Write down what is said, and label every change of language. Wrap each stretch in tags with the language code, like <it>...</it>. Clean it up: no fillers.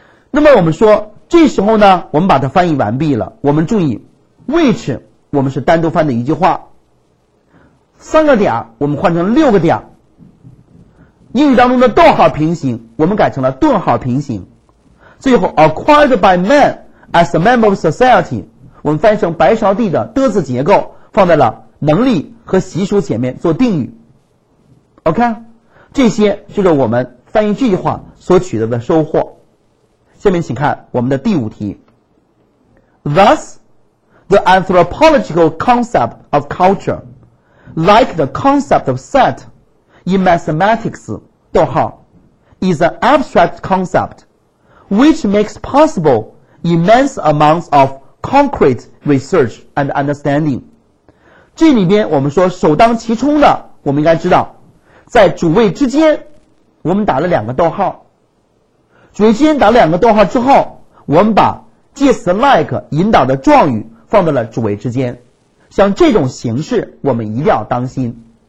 <zh>那么我们说这时候呢，我们把它翻译完毕了，我们注意 which 我们是单独翻的一句话，三个点我们换成六个点，英语当中的逗号平行我们改成了顿号平行，最后</zh> <en>acquired by man as a member of society</en> <zh>我们翻译成白勺地的的字结构放在了能力和习俗前面做定语。 OK， 这些就是我们翻译这句话所取得的收获。下面请看我们的第五题。</zh> <en>Thus the anthropological concept of culture like the concept of set in mathematics</en> <zh>逗号</zh> <en>is an abstract concept which makes possible immense amounts of concrete research and understanding。</en> <zh>这里边我们说首当其冲的，我们应该知道在主谓之间我们打了两个逗号，主谓之间打了两个逗号之后，我们把介词 like 引导的状语放在了主谓之间，像这种形式我们一定要当心。</zh>